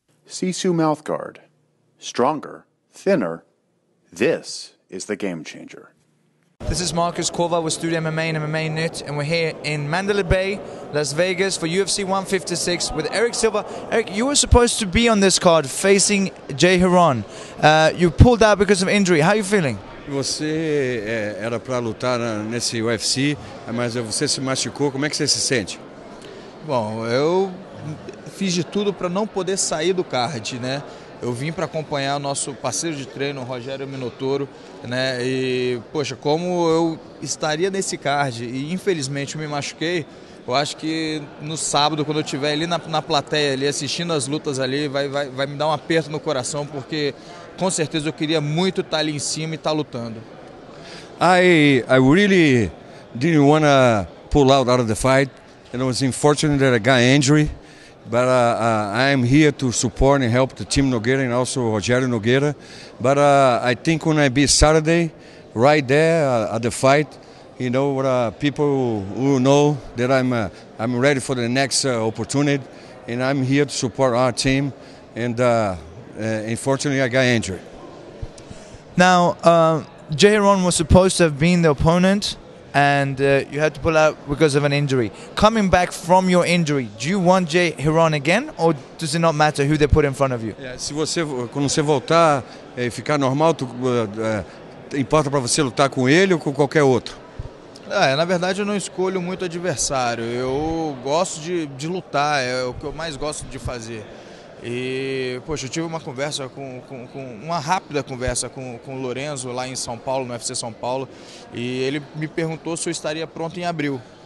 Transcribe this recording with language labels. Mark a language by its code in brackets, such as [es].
[en] Sisu Mouthguard. Stronger. Thinner. This is the game changer. This is Marcus Corva with Studio MMA and MMA Net, and we're here in Mandalay Bay, Las Vegas, for UFC 156 with Eric Silva. Eric, you were supposed to be on this card facing Jay Heron. You pulled out because of injury. How are you feeling? [pt] Você era para lutar nesse UFC, mas você se machucou. Como é que você se sente? Bom, eu fiz de tudo para não poder sair do card, né? Eu vim para acompanhar o nosso parceiro de treino, Rogério Minotouro, né? E, poxa, como eu estaria nesse card e, infelizmente, me machuquei, eu acho que no sábado, quando eu estiver ali na plateia, ali, assistindo as lutas ali, vai me dar um aperto no coração, porque, com certeza, eu queria muito estar ali em cima e estar lutando. [en] I really didn't want to pull out of the fight, and it was unfortunate that I got injury. But I'm here to support and help the team Nogueira and also Rogério Nogueira. But I think when I be Saturday, right there at the fight, you know, people will know that I'm ready for the next opportunity. And I'm here to support our team. And unfortunately, I got injured. Now, Jay Heron was supposed to have been the opponent, and you had to pull out because of an injury. Coming back from your injury, do you want Jay Heron again, or does it not matter who they put in front of you? [pt] Yeah, se você, quando você voltar e ficar normal, importa para você lutar com ele ou com qualquer outro? Ah, na verdade, eu não escolho muito adversário. Eu gosto de lutar, é o que eu mais gosto de fazer. E, poxa, eu tive uma conversa com o Lorenzo lá em São Paulo, no UFC São Paulo, e ele me perguntou se eu estaria pronto em abril.